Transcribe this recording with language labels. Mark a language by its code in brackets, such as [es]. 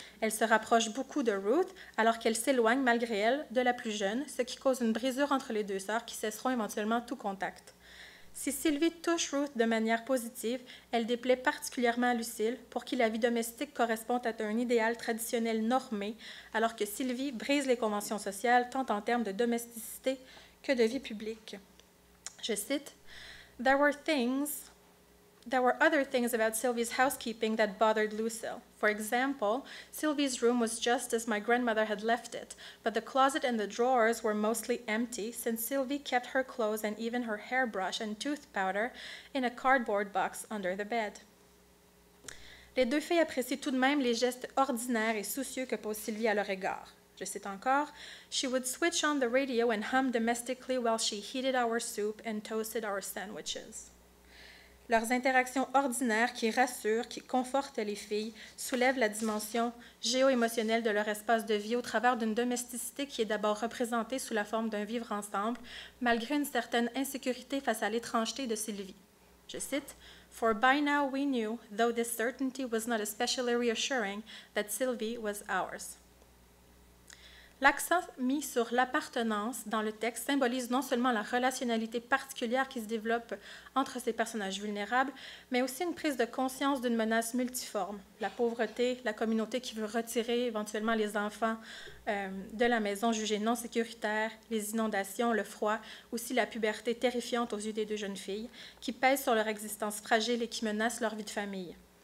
[fr] Elle se rapproche beaucoup de Ruth, alors qu'elle s'éloigne, malgré elle, de la plus jeune, ce qui cause une brisure entre les deux sœurs qui cesseront éventuellement tout contact. Si Sylvie touche Ruth de manière positive, elle déplaît particulièrement à Lucille, pour qui la vie domestique correspond à un idéal traditionnel normé, alors que Sylvie brise les conventions sociales tant en termes de domesticité que de vie publique. Je cite, [en] There were other things about Sylvie's housekeeping that bothered Lucille. For example, Sylvie's room was just as my grandmother had left it, but the closet and the drawers were mostly empty since Sylvie kept her clothes and even her hairbrush and tooth powder in a cardboard box under the bed. [fr] Les deux filles apprécient tout de même les gestes ordinaires et soucieux que pose Sylvie à leur égard. Je cite encore, [en] She would switch on the radio and hum domestically while she heated our soup and toasted our sandwiches. [fr] Leurs interactions ordinaires qui rassurent, qui confortent les filles, soulèvent la dimension géo-émotionnelle de leur espace de vie au travers d'une domesticité qui est d'abord représentée sous la forme d'un vivre ensemble, malgré une certaine insécurité face à l'étrangeté de Sylvie. Je cite, [en] For by now we knew, though this certainty was not especially reassuring, that Sylvie was ours. [fr] L'accent mis sur l'appartenance dans le texte symbolise non seulement la relationnalité particulière qui se développe entre ces personnages vulnérables, mais aussi une prise de conscience d'une menace multiforme. La pauvreté, la communauté qui veut retirer éventuellement les enfants de la maison jugée non sécuritaire, les inondations, le froid, aussi la puberté terrifiante aux yeux des deux jeunes filles, qui pèsent sur leur existence fragile et qui menacent leur vie de famille.